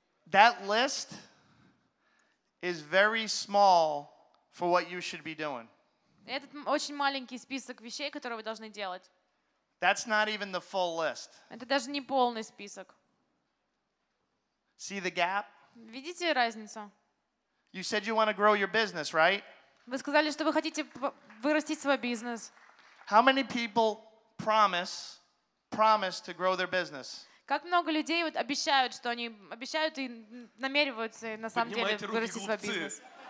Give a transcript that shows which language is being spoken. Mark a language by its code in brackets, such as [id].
[en] That list is very small for what you should be doing. [ru] Этот очень маленький список вещей, которые вы должны делать. [en] That's not even the full list. [ru] Это даже не полный список. [en] See the gap? [ru] Видите разницу? [en] You said you want to grow your business, right? [ru] Вы сказали, что вы хотите вырастить свой бизнес. [en] How many people promise to grow their business? [ru] Как много людей вот обещают, что они обещают и намереваются на самом деле вырастить свой бизнес?